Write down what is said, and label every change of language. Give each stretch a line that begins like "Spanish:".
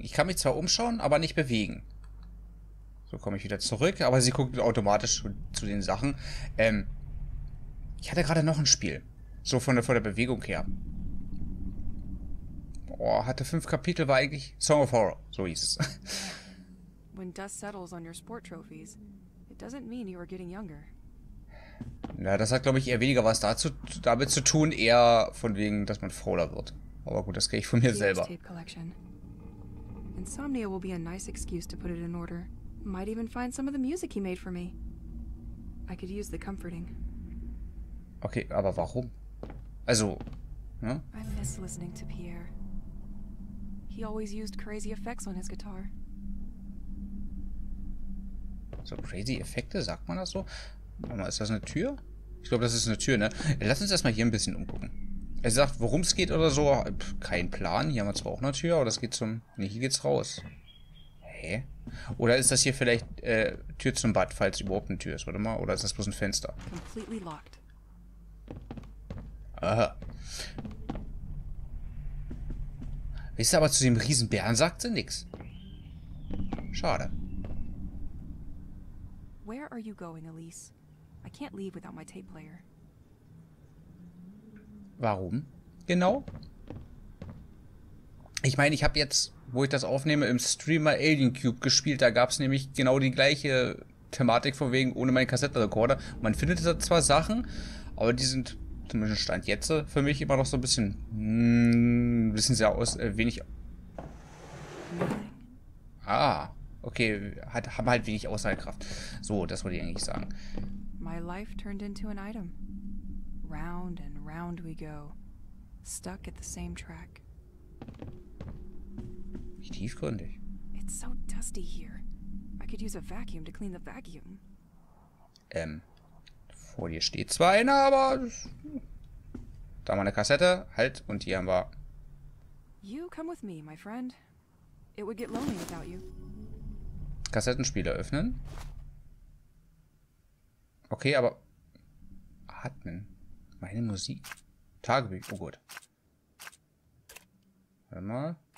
German: Ich kann mich zwar umschauen, aber nicht bewegen. So komme ich wieder zurück. Aber sie guckt automatisch zu den Sachen. Ich hatte gerade noch ein Spiel. So von der Bewegung her. Boah, hatte 5 Kapitel, war eigentlich Song of Horror. So hieß es.
English: When dust settles on your sport trophies, it doesn't mean you are getting younger.
German: Na, das hat, glaube ich, eher weniger was damit zu tun, eher von wegen, dass man fauler wird. Aber gut, das kriege ich von mir selber.
English: Insomnia will be a nice excuse to put it in order. Might even find some of the music he made for me. I could use the comforting.
German: Okay, aber warum? Also, ne?
English: I miss listening to Pierre. He always used crazy effects on his guitar.
German: So crazy Effekte, sagt man das so? Warte mal, ist das eine Tür? Ich glaube, das ist eine Tür, ne? Lass uns erstmal hier ein bisschen umgucken. Er sagt, worum es geht oder so. Kein Plan. Hier haben wir zwar auch eine Tür, aber das geht zum... Nee, hier geht's raus. Hä? Oder ist das hier vielleicht Tür zum Bad, falls überhaupt eine Tür ist? Warte mal. Oder ist das bloß ein Fenster?
English: Completely locked.
German: Aha. Weißt du, aber zu dem Riesenbären sagt sie nichts. Schade.
English: Where are you going, Elise? I can't leave without my tape player.
German: Warum? Genau? Ich meine, ich habe jetzt, wo ich das aufnehme, im Streamer Alien Cube gespielt. Da gab es nämlich genau die gleiche Thematik von wegen ohne meinen Kassettenrekorder. Man findet da zwar Sachen, aber die sind, zumindest Stand jetzt, für mich immer noch so ein bisschen, wissen Sie aus, wenig. Ah, okay, haben halt wenig Aussagekraft. So, das wollte ich eigentlich sagen.
English: My life turned into an item. Round and round we go, stuck at the same track.
German: Wie tiefgründig.
English: It's so dusty here. I could use a vacuum to clean the vacuum.
German: Vor dir steht zwar einer, aber da haben wir eine Kassette, halt, und hier haben wir.
English: You come with me, my friend. It would get lonely without you.
German: Kassettenspieler öffnen. Okay, aber atmen. Meine Musik. Tagebuch. Oh gut. Warte mal.